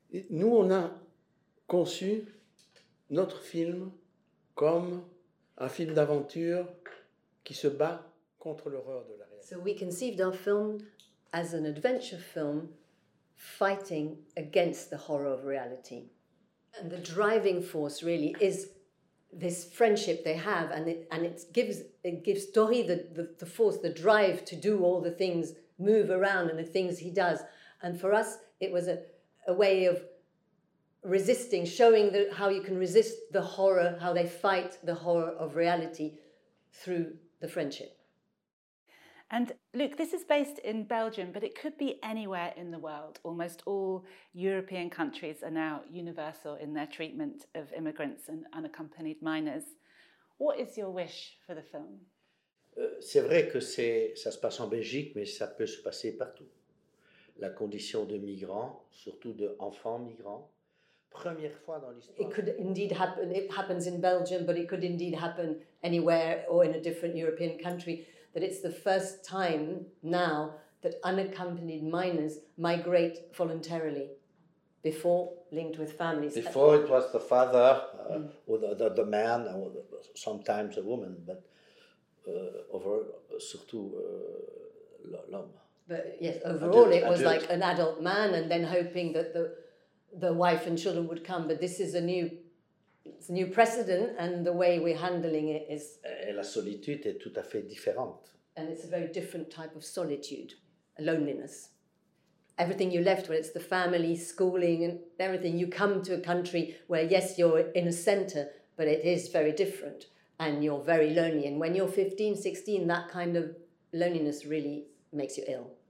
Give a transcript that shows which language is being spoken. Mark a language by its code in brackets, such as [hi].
[fr] Nous, on a conçu notre film comme un film d'aventure qui se bat contre l'horreur de la réalité. [en] So we conceived our film as an adventure film fighting against the horror of reality. And the driving force really is this friendship they have, and it gives Tori the force, the drive to do all the things, move around and the things he does. And for us, it was a way of resisting, showing how you can resist the horror, how they fight the horror of reality through the friendship. And Luc, this is based in Belgium, but it could be anywhere in the world. Almost all European countries are now universal in their treatment of immigrants and unaccompanied minors. What is your wish for the film? [fr] C'est vrai que ça se passe en Belgique, mais ça peut se passer partout. La condition de migrants, surtout de enfants migrants, première fois dans l'histoire. [en] It could indeed happen. It happens in Belgium, but it could indeed happen anywhere or in a different European country. That it's the first time now that unaccompanied minors migrate voluntarily, before linked with families. Before it was the father or the man, or sometimes a woman, but [fr] surtout l'homme. [en] But yes, overall adult, it was adult. Like an adult man, and then hoping that the wife and children would come. But this is a new precedent, and the way we're handling it is. [fr] Et la solitude est tout à fait différente. [en] And it's a very different type of solitude, loneliness. Everything you left, whether it's the family, schooling, and everything, you come to a country where, yes, you're in a centre, but it is very different, and you're very lonely. And when you're 15, 16, that kind of loneliness really makes you ill.